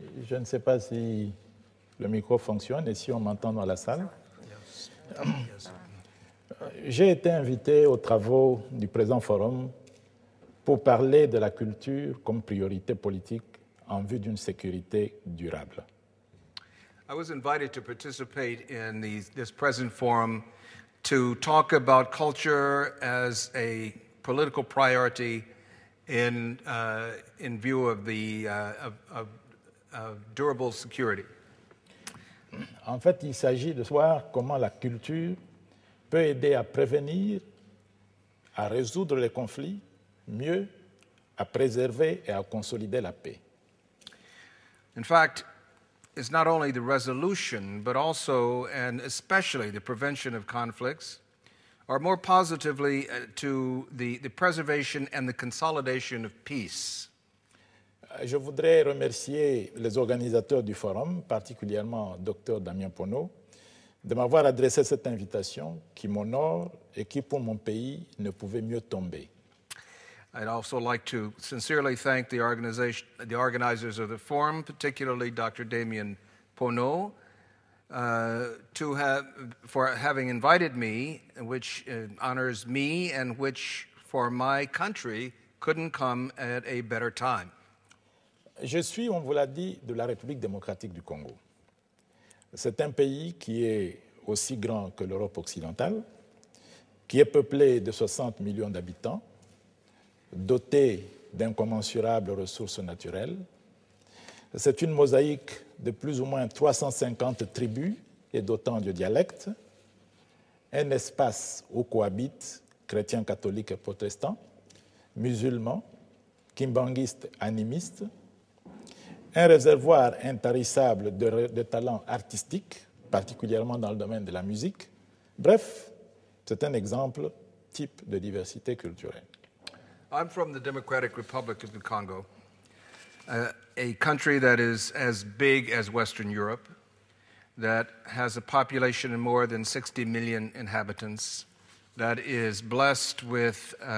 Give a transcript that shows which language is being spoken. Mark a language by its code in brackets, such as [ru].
[fr] Je ne sais pas si le micro fonctionne et si on m'entend dans la salle. J'ai été invité aux travaux du présent forum pour parler de la culture comme priorité politique en vue d'une sécurité durable. [en] I was invited to participate in this present forum to talk about culture as a political priority in view of the of durable security. [fr] En fait, il s'agit de voir comment la culture peut aider à prévenir, à résoudre les conflits, mieux, à préserver et à consolider la paix. [en] In fact, it's not only the resolution, but also and especially the prevention of conflicts, or more positively, to the preservation and the consolidation of peace. [fr] Je voudrais remercier les organisateurs du forum, particulièrement Dr. Damien Pwono, de m'avoir adressé cette invitation qui m'honore et qui, pour mon pays, ne pouvait mieux tomber. [en] I'd also like to sincerely thank the organizers of the forum, particularly Dr. Damien Pwono, for having invited me, which honors me and which, for my country, couldn't come at a better time. [fr] Je suis, on vous l'a dit, de la République démocratique du Congo. C'est un pays qui est aussi grand que l'Europe occidentale, qui est peuplé de 60 millions d'habitants, doté d'incommensurables ressources naturelles. C'est une mosaïque de plus ou moins 350 tribus et d'autant de dialectes, un espace où cohabitent chrétiens, catholiques et protestants, musulmans, kimbanguistes, animistes, un réservoir intarissable de talents artistiques, particulièrement dans le domaine de la musique. Bref, c'est un exemple type de diversité culturelle. [en] I'm from the Democratic Republic of the Congo, a country that is as big as Western Europe, that has a population of more than 60 million inhabitants, that is blessed with